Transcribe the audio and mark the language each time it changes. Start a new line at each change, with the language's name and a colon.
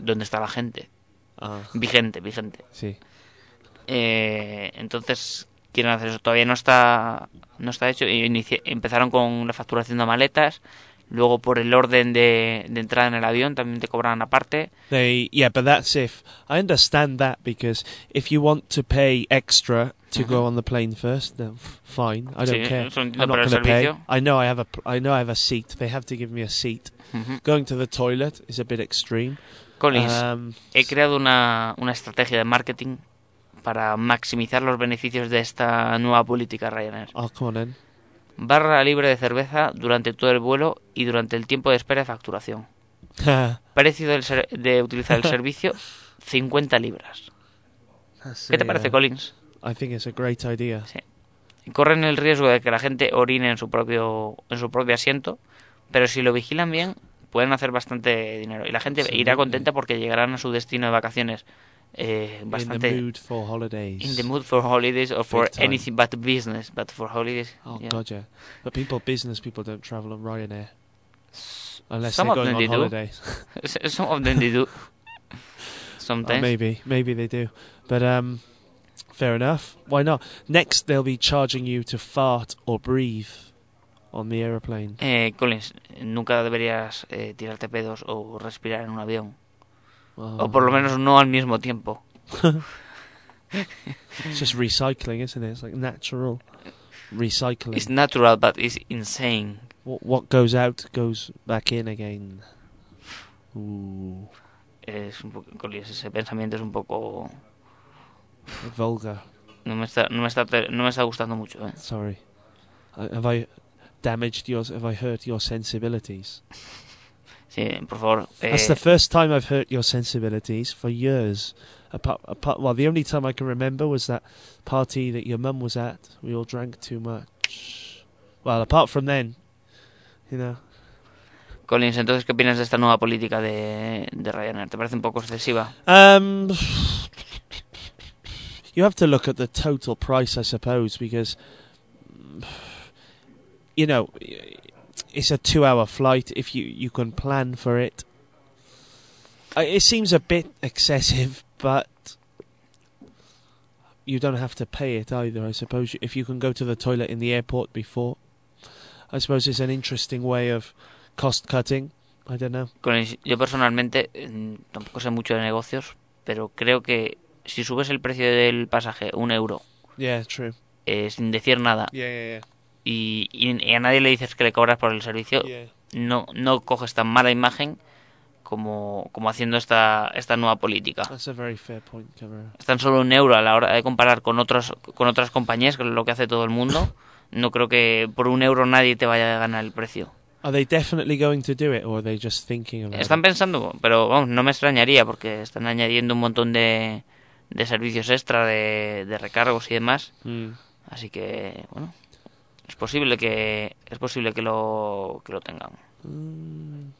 Spanish: ¿Dónde está la gente? Ah. Vigente. Sí. Entonces, quieren hacer eso. Todavía no está hecho. Empezaron con la facturación de maletas. Luego, por el orden de entrada en el avión, también te cobran aparte.
English: Yeah, but that's if. I understand that because if you want to pay extra to go on the plane first, then fine. I don't care. I'm not going to pay. I know I have a seat. They have to give me a seat. Uh-huh. Going to the toilet is a bit extreme.
Spanish: Collins, he creado una estrategia de marketing para maximizar los beneficios de esta nueva política Ryanair.
English: Oh, come on in.
Spanish: Barra libre de cerveza durante todo el vuelo y durante el tiempo de espera de facturación. Precio de utilizar el servicio, 50 libras. ¿Qué te parece, Collins?
English: I think it's a great idea.
Spanish: Sí. Corren el riesgo de que la gente orine en su propio asiento, pero si lo vigilan bien, pueden hacer bastante dinero. Y la gente irá contenta porque llegarán a su destino de vacaciones. Bastante
English: in the mood for holidays. In the mood for holidays or for anything but business, but for holidays. Oh, yeah. Gotcha. But business people don't travel on Ryanair. Unless some they're going of them on they holidays. Do. Some of them they do. Sometimes. Oh, maybe they do. But fair enough. Why not? Next they'll be charging you to fart or breathe on the aeroplane.
Spanish: Collins, nunca deberías tirarte pedos o respirar en un avión. Oh. O por lo menos no al mismo tiempo.
English: It's just recycling, isn't it? It's like natural recycling. It's natural, but it's insane. What goes out goes back in again. Ooh.
Spanish: es un poco, ese pensamiento es un poco vulgar. No me está gustando mucho, ¿eh?
English: Sorry. Have I damaged your, have I hurt your sensibilities?
Spanish: Sí, por favor.
English: That's the first time I've hurt your sensibilities for years. Apart, well, the only time I can remember was that party that your mum was at. We all drank too much. Well, apart from then, you know.
Spanish: Collins, entonces, ¿qué opinas de esta nueva política de Ryanair? ¿Te parece un poco excesiva?
English: You have to look at the total price, I suppose, because, you know, it's a two-hour flight if you can plan for it. It seems a bit excessive, but you don't have to pay it either, I suppose. If you can go to the toilet in the airport before, I suppose it's an interesting way of cost-cutting. I don't know.
Spanish: Yo personalmente tampoco sé mucho de negocios, pero creo que si subes el precio del pasaje un euro,
English: yeah, true.
Spanish: Sin decir nada,
English: yeah.
Spanish: Y a nadie le dices que le cobras por el servicio,
English: yeah.
Spanish: no coges tan mala imagen como haciendo esta nueva política.
English: That's a very fair point, Cabrera.
Spanish: Es tan solo un euro a la hora de comparar con otras compañías, que es lo que hace todo el mundo. No creo que por un euro nadie te vaya a ganar el precio.
English: Are they definitely going to do it, or are they just thinking about it?
Spanish: Están pensando, pero vamos, no me extrañaría, porque están añadiendo un montón de servicios extra, de recargos y demás. Mm. Así que, bueno, es posible que lo tengan.